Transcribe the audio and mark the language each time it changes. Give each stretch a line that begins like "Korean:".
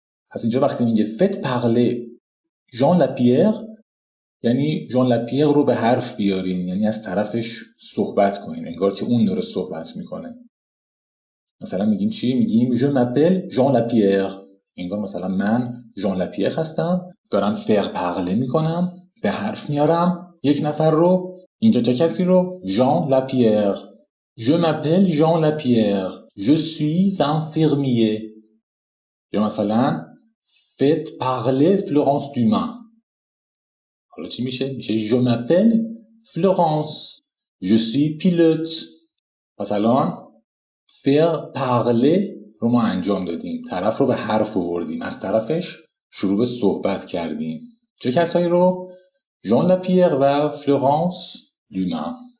Persian: پس اینجا وقتی میگه فت پغله جان لپیر، یعنی جان لپیر رو به حرف بیاریم، یعنی از طرفش صحبت کنیم، انگار که اون داره صحبت میکنه. مثلا میگیم چی؟ میگیم ژو مپل جان لپیر، انگار مثلا من جان لپیر هستم، دارم فر پغله میکنم، به حرف میارم یک نفر رو، اینجا چه کسی رو؟ جان لپیر.
French: Je m'appelle Jean Lapierre. Je suis infirmier.
Persian: یا مثلا
French: Faites parler Florence Dumas.
Persian: حالا چی میشه؟ میشه
French: Je m'appelle Florence. Je suis pilote.
Persian: پس الان Faire parler رو ما انجام دادیم، طرف رو به حرف آوردیم، از طرفش شروع به صحبت کردیم. چه کسایی رو؟ جان لپیر و فلورانس دوما.